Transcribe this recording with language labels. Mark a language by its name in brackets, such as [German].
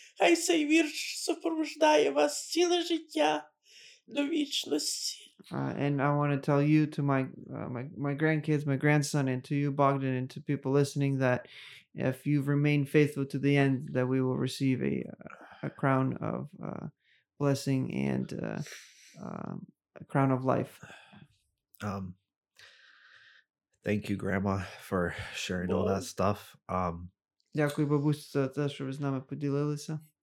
[Ukrainian] Хай цей вірш супроводжує вас ціле життя до вічності. [English] And I want to tell you, to my grandkids, my grandson, and to you, Bogdan, and to people listening, that if you remain faithful to the end, that we will receive a crown of blessing and a crown of life. Thank you, Grandma, for sharing all that stuff. [Ukrainian] Дякую, бабусь, за те, що ви з нами поділилися.